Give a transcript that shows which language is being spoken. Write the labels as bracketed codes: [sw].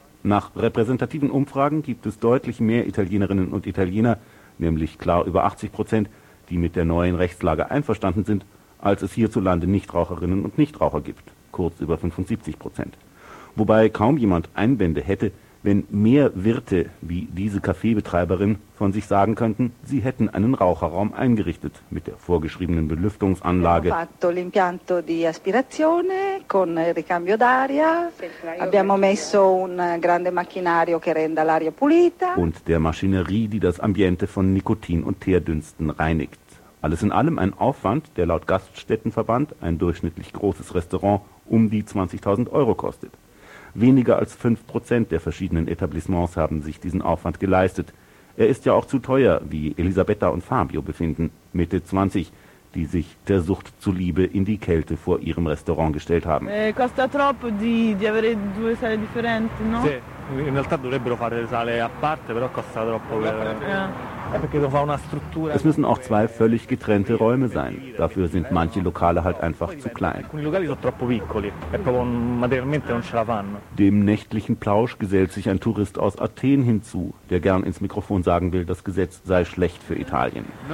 [de] Nach repräsentativen Umfragen gibt es deutlich mehr Italienerinnen und Italiener, nämlich klar über 80%, die mit der neuen Rechtslage einverstanden sind, als es hierzulande Nichtraucherinnen und Nichtraucher gibt, kurz über 75%. Wobei kaum jemand Einwände hätte, wenn mehr Wirte wie diese Kaffeebetreiberin von sich sagen könnten, sie hätten einen Raucherraum eingerichtet mit der vorgeschriebenen Belüftungsanlage. Wir haben [it] fatto l'impianto di aspirazione con il ricambio d'aria. Abbiamo messo un grande macchinario che renda l'aria pulita. [de] Und der Maschinerie, die das Ambiente von Nikotin und Teerdünsten reinigt. Alles in allem ein Aufwand, der laut Gaststättenverband ein durchschnittlich großes Restaurant um die 20.000 Euro kostet. Weniger als 5% der verschiedenen Etablissements haben sich diesen Aufwand geleistet. Er ist ja auch zu teuer, wie Elisabetta und Fabio befinden, Mitte 20, die sich der Sucht zuliebe in die Kälte vor ihrem Restaurant gestellt haben. [it] Costa troppo di avere due sale differenti, no? Sì, in realtà dovrebbero fare sale a parte, però costa troppo. [de] Es müssen auch zwei völlig getrennte Räume sein. Dafür sind manche Lokale halt einfach zu klein. Dem nächtlichen Plausch gesellt sich ein Tourist aus Athen hinzu, der gern ins Mikrofon sagen will, das Gesetz sei schlecht für Italien.